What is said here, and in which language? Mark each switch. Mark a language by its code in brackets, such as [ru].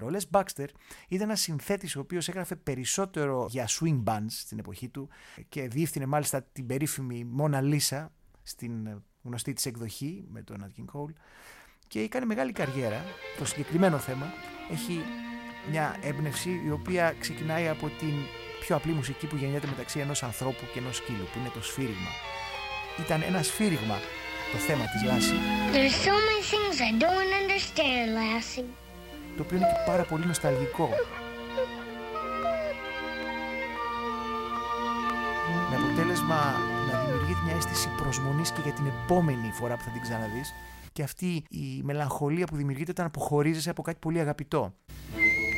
[el] Ο Les Baxter ήταν ένας συνθέτης ο οποίος έγραφε περισσότερο για swing bands στην εποχή του και διεύθυνε μάλιστα την περίφημη Mona Lisa στην γνωστή της εκδοχή με τον Nat King Cole και έκανε μεγάλη καριέρα. Το συγκεκριμένο θέμα έχει μια έμπνευση η οποία ξεκινάει από την πιο απλή μουσική που γεννιέται μεταξύ ενός ανθρώπου και ενός σκύλου, που είναι το σφύριγμα. Ήταν ένα σφύριγμα το θέμα της Λάση. [en] There's so many things I don't understand, Lassie. [el] Το οποίο είναι και πάρα πολύ νοσταλγικό. Με αποτέλεσμα δημιουργείται μια αίσθηση προσμονής και για την επόμενη φορά που θα την ξαναδείς και αυτή η μελαγχολία που δημιουργείται όταν αποχωρίζεσαι από κάτι πολύ αγαπητό. Μουσική.